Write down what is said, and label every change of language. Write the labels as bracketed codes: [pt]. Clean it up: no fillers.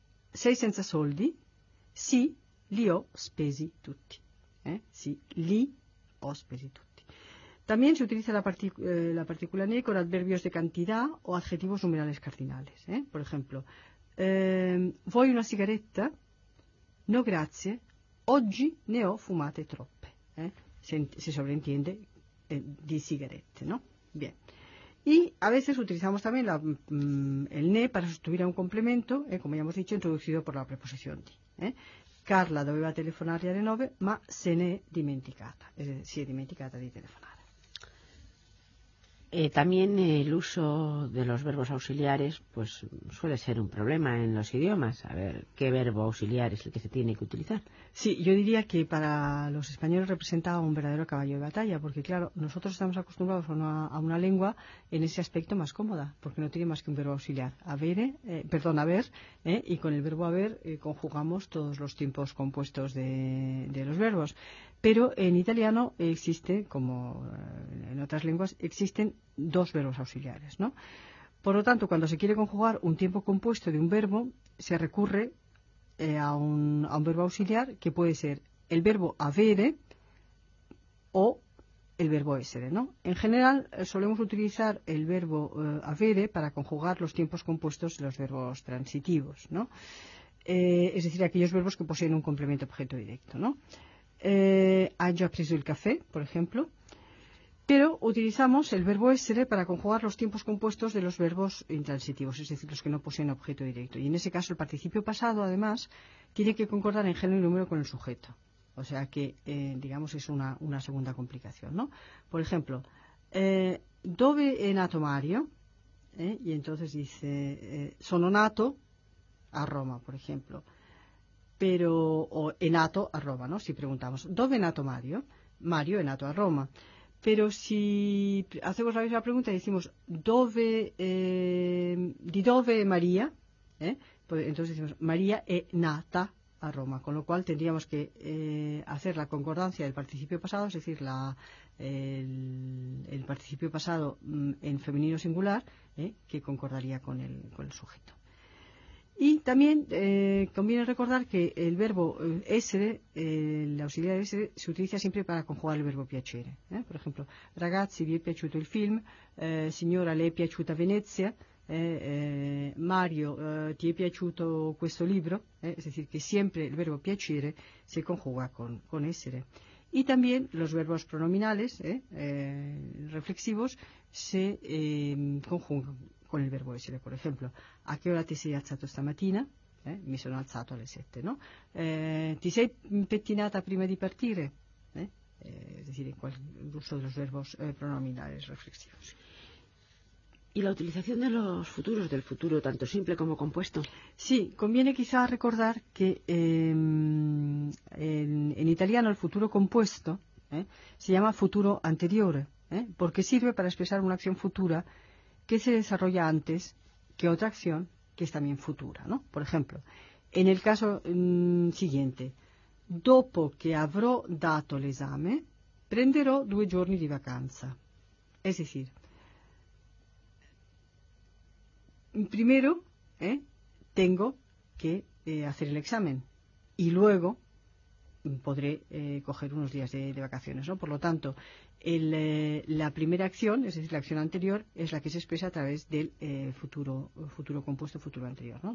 [it] Sei senza soldi? Sì, li ho spesi tutti. Sì, li ho spesi tutti. [es] También se utiliza la partícula ne con adverbios de cantidad o adjetivos numerales cardinales. Por ejemplo, [it] ¿vuoi una sigaretta? No, grazie. Oggi ne ho fumate troppe. [es] Se sobreentiende di sigarette, ¿no? Bien. Y a veces utilizamos también el ne para sustituir a un complemento, como ya hemos dicho, introducido por la preposición di. [it] Carla doveva telefonare alle 9, ma se ne è dimenticata. Si è dimenticata di telefonare. [es] También el uso de los verbos auxiliares pues suele ser un problema en los idiomas. A ver, ¿qué verbo auxiliar es el que se tiene que utilizar? Sí, yo diría que para los españoles representa un verdadero caballo de batalla, porque claro, nosotros estamos acostumbrados a una lengua en ese aspecto más cómoda, porque no tiene más que un verbo auxiliar, haber, y con el verbo haber conjugamos todos los tiempos compuestos de los verbos. Pero en italiano existe, como en otras lenguas, existen dos verbos auxiliares, ¿no? Por lo tanto, cuando se quiere conjugar un tiempo compuesto de un verbo, se recurre a un verbo auxiliar que puede ser el verbo avere o el verbo essere, ¿no? En general, solemos utilizar el verbo avere para conjugar los tiempos compuestos de los verbos transitivos, ¿no? Es decir, aquellos verbos que poseen un complemento objeto directo, ¿no? [it] Ha già preso il caffè, [es] por ejemplo. Pero utilizamos el verbo essere para conjugar los tiempos compuestos de los verbos intransitivos, es decir, los que no poseen objeto directo. Y en ese caso el participio pasado, además, tiene que concordar en género y número con el sujeto. O sea que, digamos, es una segunda complicación, ¿no? Por ejemplo, [it] dove è nato Mario? [es] Y entonces dice, [it] sono nato a Roma, [es] por ejemplo. [it] Pero, o è nato a Roma, ¿no? [es] Si preguntamos, [it] dove è nato Mario? Mario è nato a Roma. [es] Pero si hacemos la misma pregunta y decimos, [it] di dove è Maria? [es] Pues entonces decimos, [it] Maria è nata a Roma. [es] Con lo cual tendríamos que hacer la concordancia del participio pasado, es decir, el participio pasado en femenino singular, que concordaría con el sujeto. Y también conviene recordar que el verbo essere, el auxiliar essere, se utiliza siempre para conjugar el verbo piacere. Por ejemplo, [it] ragazzi, vi è piaciuto il film, signora, le è piaciuta Venezia, Mario, ti è piaciuto questo libro. [es] Es decir, que siempre el verbo piacere se conjuga con essere. Y también los verbos pronominales reflexivos se conjugan con el verbo essere, por ejemplo. ¿A qué hora [it] te sei alzato stamattina? Mi sono alzato alle 7, no? ¿Ti sei pettinata prima di partire? [es] Es decir, en el uso de los verbos pronominales reflexivos. ¿Y la utilización de los futuros del futuro, tanto simple como compuesto? Sí, conviene quizá recordar que en italiano el futuro compuesto se llama futuro anterior, porque sirve para expresar una acción futura que se desarrolla antes que otra acción que es también futura, ¿no? Por ejemplo, en el caso siguiente, [it] dopo che avrò dato l'esame, prenderò due giorni di vacanza. [es] Es decir, primero tengo que hacer el examen y luego podré coger unos días de vacaciones, ¿no? Por lo tanto, la primera acción, es decir, la acción anterior, es la que se expresa a través del futuro compuesto, futuro anterior, ¿no?